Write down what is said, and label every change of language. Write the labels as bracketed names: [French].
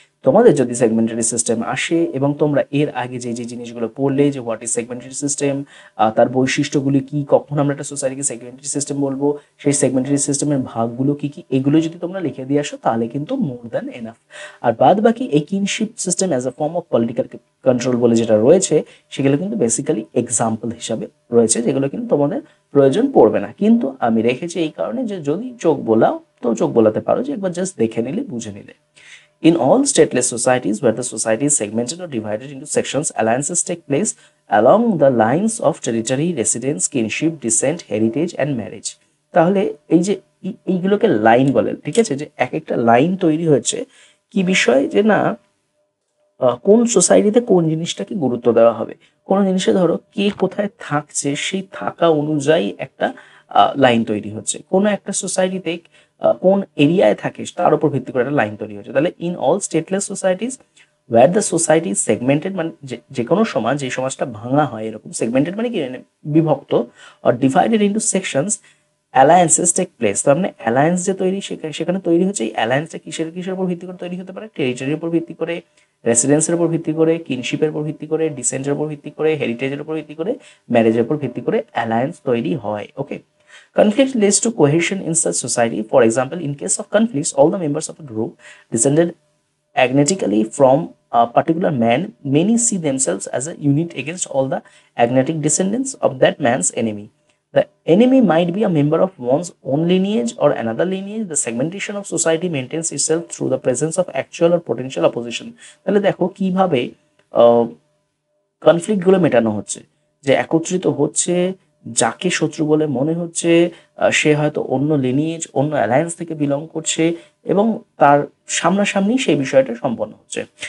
[Bangla] তোমাদের যদি সেগমেন্টারি সিস্টেম আসে এবং তোমরা এর আগে যে যে জিনিসগুলো পড়লে যে হোয়াট ইজ সেগমেন্টারি সিস্টেম, তার বৈশিষ্ট্যগুলি কি, কখন আমরা একটা সোসাইটিকে সেগমেন্টারি সিস্টেম বলবো, সেই সেগমেন্টারি সিস্টেমের ভাগগুলো কি কি, এগুলো যদি তোমরা লিখে দিয়ে আসো তাহলে কিন্তু [English] More than enough. [Bangla] আর বাদ বাকি এই kinship system as a form of political control বলে যেটা রয়েছে সেগুলো কিন্তু বেসিক্যালি এক্সাম্পল হিসাবে রয়েছে, যেগুলো কিন্তু তোমাদের প্রয়োজন পড়বে না. কিন্তু আমি রেখেছি এই কারণে যে যদি চোখ বোলাও তো চোখ বোলাতে পারো, যে একবার জাস্ট দেখে নিলে বুঝে নিলে. [English] In all stateless societies where the society is segmented or divided into sections, alliances take place along the lines of territory, residence, kinship, descent, heritage and marriage. [Bangla] তাহলে এই যে এইগুলোকে লাইন বলে, ঠিক আছে, যে এক একটা লাইন তৈরি হয়েছে কি বিষয়ে, যে না কোন সোসাইটিতে কোন জিনিসটাকে গুরুত্ব দেওয়া হবে, কোন জিনিসে ধরো কে কোথায় থাকছে সেই থাকা অনুযায়ী একটা লাইন তৈরি হচ্ছে, কোন একটা সোসাইটিতে কোন এরিয়ায় থাকিস তার উপর ভিত্তি করে একটা লাইন তৈরি হচ্ছে. [English] তাহলে in all stateless societies were the society segmented, [Bangla] মানে যে কোনো সমাজ যে সমাজটা ভাঙা হয় এরকম, [English] segmented [Bangla] মানে কি বিভক্ত, [English] আর divided into sections, alliances take place. [Bangla] তার মানে অ্যালায়েন্স যে তৈরি সেখানে তৈরি হচ্ছে, এই অ্যালায়েন্সটা কিসের কিসের উপর ভিত্তি করে তৈরি হতে পারে, টেরিটরির উপর ভিত্তি করে, রেসিডেন্সের উপর ভিত্তি করে, কিনশিপের উপর ভিত্তি করে, ডিসেন্টের উপর ভিত্তি করে, হেরিটেজের উপর ভিত্তি করে, ম্যারেজের উপর ভিত্তি করে অ্যালায়েন্স তৈরি হয়। [English] Okay, conflict leads to cohesion in such society. For example, in case of conflicts, all the members of a group descended agnetically from a particular man, many see themselves as a unit against all the agnetic descendants of that man's enemy. The enemy might be a member of one's own lineage or another lineage. The segmentation of society maintains itself through the presence of actual or potential opposition. [Bangla] তাহলে দেখো কিভাবে conflict গুলো মেটানো হচ্ছে, যে একত্রিত হচ্ছে যাকে শত্রু বলে মনে হচ্ছে, সে হয়তো অন্য লিনিয়েজ অন্য অ্যালায়েন্স থেকে বিলং করছে এবং তার সামনাসামনি সেই বিষয়টা সম্পন্ন হচ্ছে।